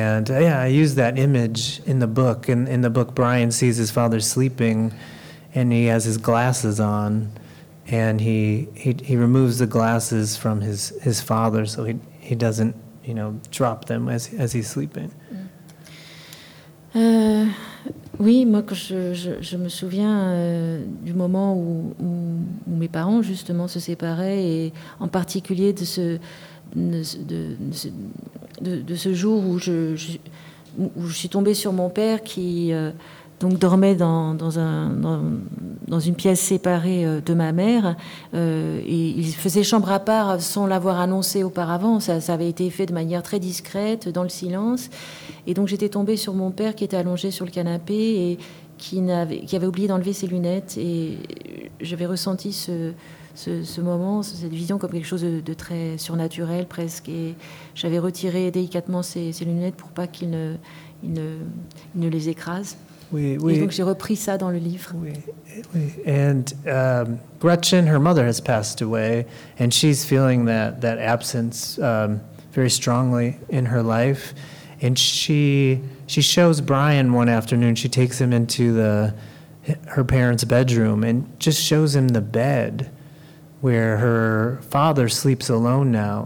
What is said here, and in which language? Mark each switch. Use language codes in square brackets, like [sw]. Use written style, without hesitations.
[en] I use that image in the book. In the book, Brian sees his father sleeping and he has his glasses on and he removes the glasses from his father so he doesn't, you know, drop them as he's sleeping. [fr] Oui, moi, quand je me souviens du moment où mes parents justement se séparaient, et en particulier de ce jour où je suis tombée sur mon père qui donc dormait dans une pièce séparée de ma mère, et il faisait chambre à part sans l'avoir annoncé auparavant. Ça avait été fait de manière très discrète, dans le silence. Et donc j'étais tombée sur mon père qui était allongé sur le canapé et qui avait oublié d'enlever ses lunettes. Et j'avais ressenti ce moment, cette vision, comme quelque chose de très surnaturel presque. Et j'avais retiré délicatement ses lunettes pour pas qu'il ne les écrase. Oui. Et donc j'ai repris ça dans le livre. Oui. [en] And Gretchen, her mother has passed away, and she's feeling that absence very strongly in her life. And she shows Brian one afternoon. She takes him into her parents' bedroom and just shows him the bed where her father sleeps alone now.